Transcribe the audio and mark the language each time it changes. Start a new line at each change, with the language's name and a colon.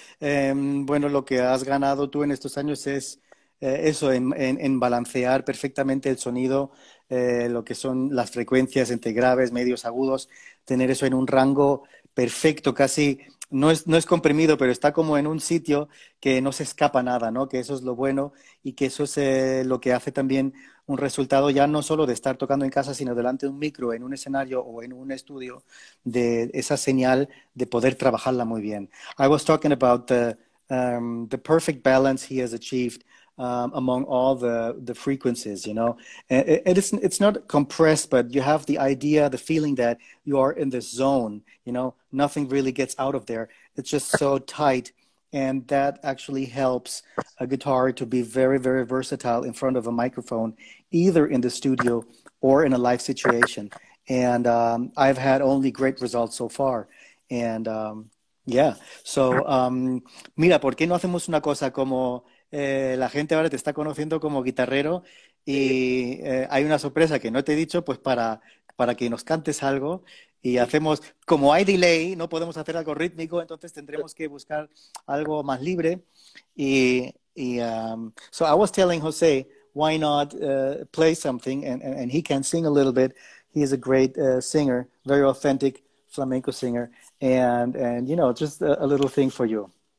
Spanish: Bueno, lo que has ganado tú en estos años es eso, en balancear perfectamente el sonido, lo que son las frecuencias entre graves, medios, agudos, tener eso en un rango perfecto, casi, no es comprimido, pero está como en un sitio que no se escapa nada, ¿no? Que eso es lo bueno y que eso es lo que hace también un resultado ya no solo de estar tocando en casa, sino delante de un micro, en un escenario o en un estudio, de esa señal de poder trabajarla muy bien.
English: I was talking about the perfect balance he has achieved among all the frequencies, you know. It's not compressed, but you have the idea, the feeling that you are in this zone, you know. Nothing really gets out of there. It's just so tight. And that actually helps a guitar to be very, very versatile in front of a microphone, either in the studio or in a live situation. And I've had only great results so far. And yeah, so
Spanish: mira, ¿por qué no hacemos una cosa como la gente ahora te está conociendo como guitarrero y hay una sorpresa que no te he dicho, pues para que nos cantes algo? Y hacemos, como hay delay, no podemos hacer algo rítmico, entonces tendremos que buscar algo más libre.
English: So I was telling Jose, why not play something, and he can sing a little bit. He is a great singer, very authentic flamenco singer, and you know, just a little thing for you.